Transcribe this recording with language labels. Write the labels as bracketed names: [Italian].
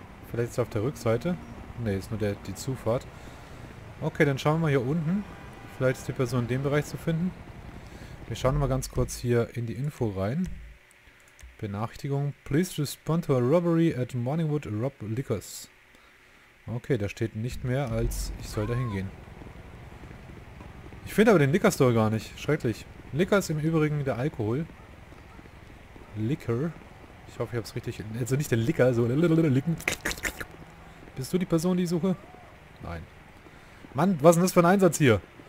[German] Vielleicht ist er auf der Rückseite. Ne, ist nur die Zufahrt. Okay, dann schauen wir mal hier unten. Vielleicht ist die Person in dem Bereich zu finden. Wir schauen mal ganz kurz hier in die Info rein. Benachrichtigung. [English] Please respond to a robbery at Morningwood Rob Liquors. [German] Okay, da steht nicht mehr als ich soll da hingehen. Ich finde aber den Liquor Store gar nicht. Schrecklich. Liquor ist im Übrigen der Alkohol. Liquor. Ich hoffe, ich habe es richtig... Also nicht der Liquor, so... Bist du die Person, die ich suche? Nein. Mann, was ist denn das für ein Einsatz hier?